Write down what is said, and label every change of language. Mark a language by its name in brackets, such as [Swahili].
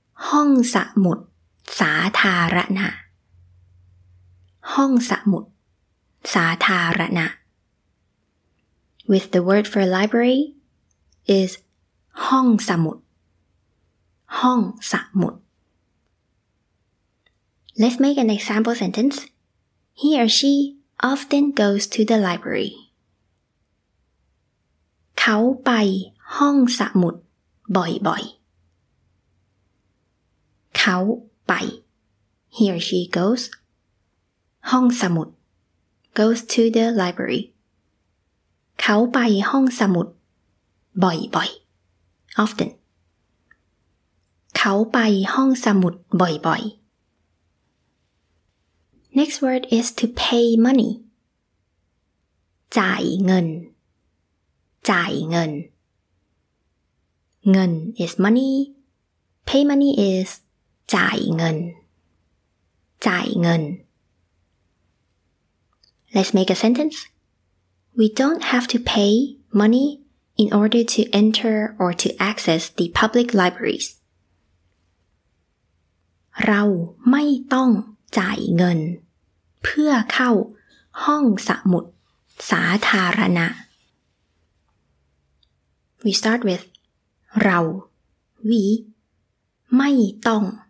[Thai] ห้องสมุดสาธารณะห้องสมุดสาธารณะ [English] With the word for library is [Thai] ห้องสมุดห้องสมุด [English] Let's make an example sentence. He or she often goes to the library. [Thai] เขาไปห้องสมุดบ่อยๆ เขาไป [English] He or she goes [Thai] ห้องสมุด [English] goes to the library. [Thai] เขาไปห้องสมุดบ่อยๆ [English] often. [Thai] เขาไปห้องสมุดบ่อยๆ [English] Next word is to pay money. [Thai] จ่ายเงินจ่ายเงินเงิน [English] is money. Pay money is [Thai] จ่ายเงินจ่ายเงิน [English] Let's make a sentence. We don't have to pay money in order to enter or to access the public libraries. [Thai] เราไม่ต้องจ่ายเงินเพื่อเข้าห้องสมุดสาธารณะ [English] We start with [Thai] เรา [English] We [Thai] ไม่ต้อง